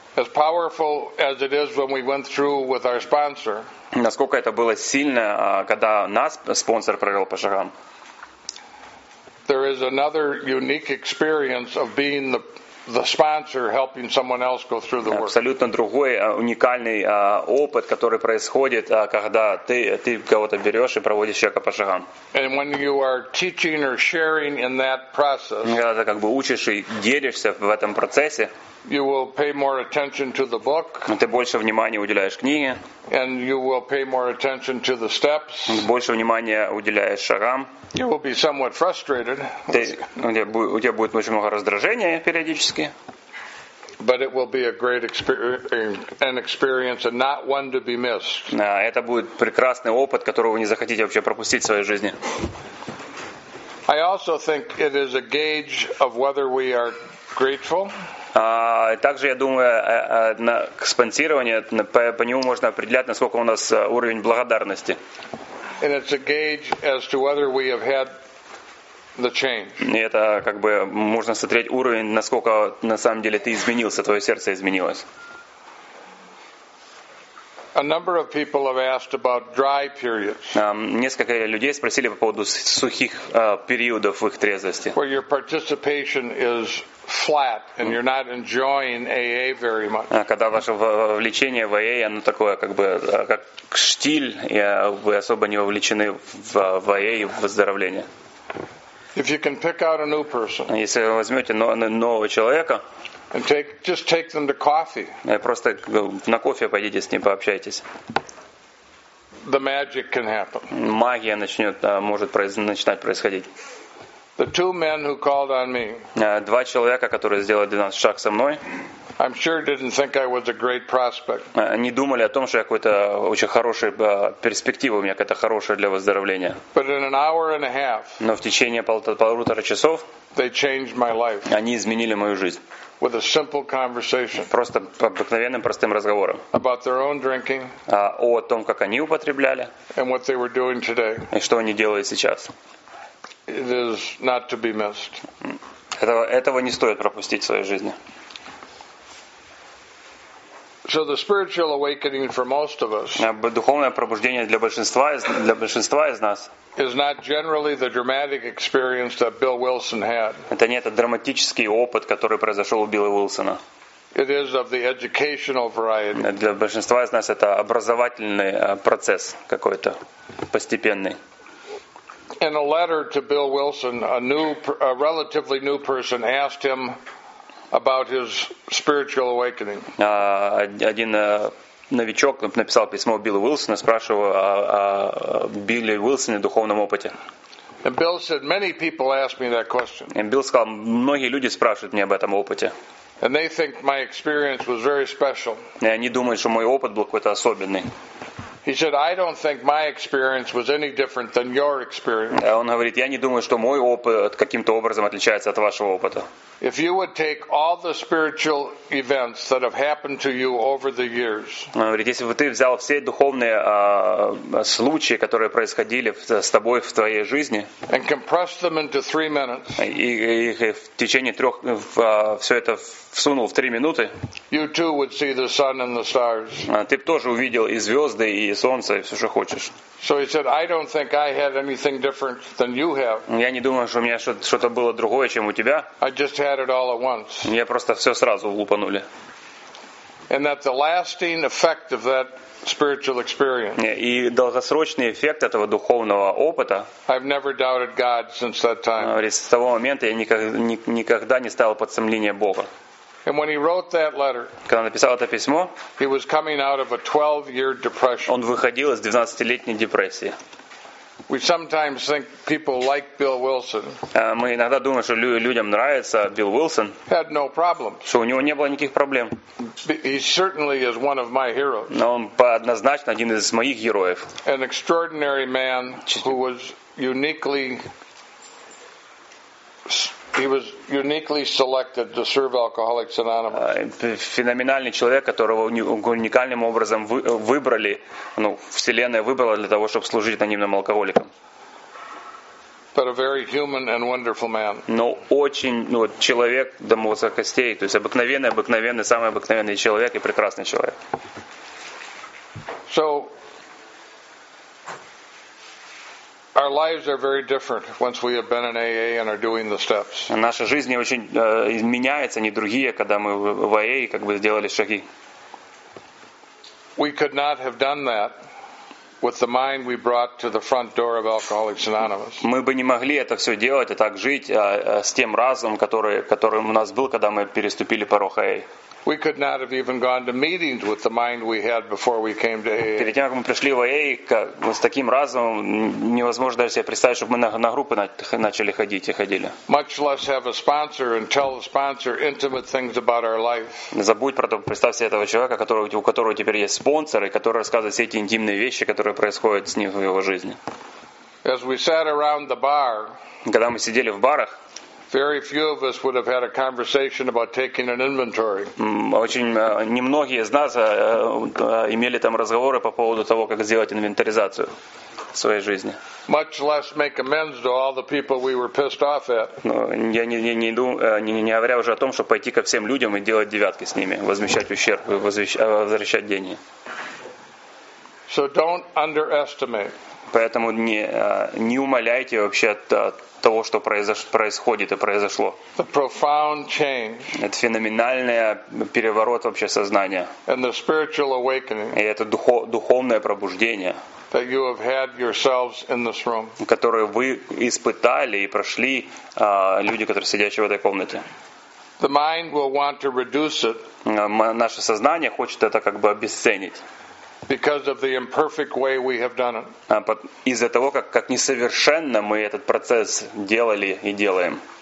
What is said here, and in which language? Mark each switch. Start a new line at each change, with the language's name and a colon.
English: As powerful as it is when we went through with our sponsor,
Russian: насколько это было сильно, когда нас спонсор провел по шагам.
English: There is another unique experience of being the sponsor helping someone else go through the work.
Russian: Абсолютно другой уникальный опыт, который происходит, когда ты кого-то берешь и проводишь человека по шагам.
English: And when you are teaching or sharing in that process,
Russian: когда ты как бы учишь и делишься в этом процессе,
English: you will pay more attention to the book.
Russian: Ты больше внимания уделяешь книге.
English: And you will pay more attention to the steps.
Russian: Больше внимания уделяешь шагам.
English: You will be somewhat frustrated.
Russian: У тебя будет очень много раздражения периодически.
English: But it will be a great experience and not one to be missed.
Russian: Это будет прекрасный опыт, которого вы не захотите вообще пропустить в своей жизни.
English: I also think it is a gauge of whether we are grateful.
Russian: Также я думаю, на спонсирование по нему можно определять, насколько у нас уровень благодарности.
English: And it's a gauge as to whether we have had the change.
Russian: И это как бы можно смотреть уровень, насколько на самом деле ты изменился, твое сердце изменилось.
English: A number of people have asked about dry periods.
Russian: Несколько людей спросили по поводу сухих периодов в их трезвости.
English: Where your participation is flat and you're not enjoying AA very much.
Russian: Когда ваше вовлечение в AA, оно такое как бы как штиль, и вы особо не вовлечены в AA и в выздоровление.
English: If you can pick out a new person,
Russian: если вы возьмете нового человека,
English: and just take them to coffee,
Russian: просто на кофе пойдите с ним пообщайтесь.
English: The magic can happen.
Russian: Магия начинать происходить.
English: The two men who called on me.
Russian: Два человека, которые сделали 12 шаг со мной.
English: I'm sure didn't think I was a great prospect.
Russian: Они думали о том, что я какой-то очень хороший перспектива у меня какая-то хорошая для выздоровления.
English: But in an hour and a half.
Russian: Но в течение полутора часов.
English: They changed my life.
Russian: Они изменили мою жизнь.
English: With a simple conversation.
Russian: Просто обыкновенным простым разговором.
English: About their own drinking.
Russian: О том, как они употребляли.
English: And what they were doing today.
Russian: И что они делают сейчас.
English: It is not to be missed.
Russian: Этого не стоит пропустить в своей жизни.
English: So the spiritual awakening for most of us.
Russian: Духовное пробуждение для большинства из нас.
English: Is not generally the dramatic experience that Bill Wilson had.
Russian: Это не тот драматический опыт, который произошел у Билла Уилсона.
English: It is of the educational variety.
Russian: Для большинства из нас это образовательный процесс какой-то постепенный.
English: In a letter to Bill Wilson, a relatively new person asked him about his spiritual awakening.
Russian: Один новичок написал письмо Биллу Уилсону, спрашивал о Билле Уилсоне, духовном опыте.
English: And Bill said, many people ask me that question.
Russian: И Билл сказал, многие люди спрашивают меня об этом опыте.
English: And they think my experience was very special.
Russian: И они думают, что мой опыт был какой-то особенный.
English: He said, "I don't think my experience was any different than your experience."
Russian: Он говорит, я не думаю, что мой опыт каким-то образом отличается от вашего опыта.
English: If you would take all the spiritual events that have happened to you over the years.
Russian: Он говорит, если бы ты взял все духовные случаи, которые происходили с тобой в твоей жизни.
English: And compress them into 3 minutes.
Russian: И в течение трех все это всунул в 3 минуты.
English: You too would see the sun and the stars.
Russian: Ты бы тоже увидел и звезды, и солнце, и все, что хочешь.
English: So he said, "I don't think I had anything different than you have."
Russian: Я не думаю, что у меня что-то было другое, чем у тебя.
English: I just had it all at once.
Russian: Я просто все сразу влупанули.
English: And that the lasting effect of that spiritual experience.
Russian: И долгосрочный эффект этого духовного опыта.
English: I've never doubted God since that time.
Russian: Говорит, с того момента я никогда не ставил под сомнение Бога.
English: And when he wrote that letter,
Russian: когда написал это письмо,
English: he was coming out of a 12-year depression.
Russian: Он выходил из 12-летней депрессии.
English: We sometimes think people like Bill Wilson.
Russian: Мы иногда думаем, что людям нравится Билл Уилсон.
English: Had no problems.
Russian: Что у него не было никаких проблем.
English: He certainly is one of my heroes.
Russian: Но он однозначно один из моих героев.
English: An extraordinary man who was uniquely. He was uniquely selected to serve Alcoholics Anonymous.
Russian: Феноменальный человек, которого уникальным образом выбрали, ну, вселенная выбрала для того, чтобы служить анонимным алкоголикам.
English: But a very human and wonderful man.
Russian: Но очень, ну, человек до мозга костей, то есть обыкновенный, самый обыкновенный человек и прекрасный человек.
English: So our lives are very different once we have been in AA and are doing the steps.
Russian: Наша жизнь очень меняется, не другие, когда мы в АА и как бы сделали шаги.
English: We could not have done that with the mind we brought to the front door of Alcoholics Anonymous.
Russian: Мы бы не могли это все делать и так жить с тем разумом, который у нас был, когда мы переступили порог АА.
English: We could not have even gone to meetings with the mind we had before we came to AA.
Russian: Перед тем, как мы пришли в АА, с таким разумом невозможно даже себе представить, чтобы мы на группы начали ходить и ходили.
English: Much less have a sponsor and tell the sponsor intimate things about our life.
Russian: Забудь про то, представь себе этого человека, у которого теперь есть спонсор, и который рассказывает все эти интимные вещи, которые происходят с ним в его жизни.
English: As we sat around the bar,
Russian: когда мы сидели в барах,
English: very few of us would have had a conversation about taking an inventory.
Russian: Очень немногие из нас имели там разговоры по поводу того, как сделать инвентаризацию своей жизни.
English: Much less make amends to all the people we were pissed off at.
Russian: Не говоря уже о том, чтобы пойти ко всем людям и делать девятки с ними, возмещать ущерб, возвращать деньги.
English: So don't underestimate.
Russian: Поэтому не умаляйте вообще того, что происходит и произошло.
English: The profound change.
Russian: Это феноменальный переворот вообще сознания.
English: And the spiritual awakening.
Russian: И это духовное пробуждение.
English: That you have had yourselves in this room.
Russian: Которое вы испытали и прошли люди, которые сидящие в этой комнате.
English: The mind will want to reduce it.
Russian: Наше сознание хочет это как бы обесценить.
English: Because of the imperfect way we have done it.
Russian: Из-за того, как несовершенно мы этот процесс делали и делаем.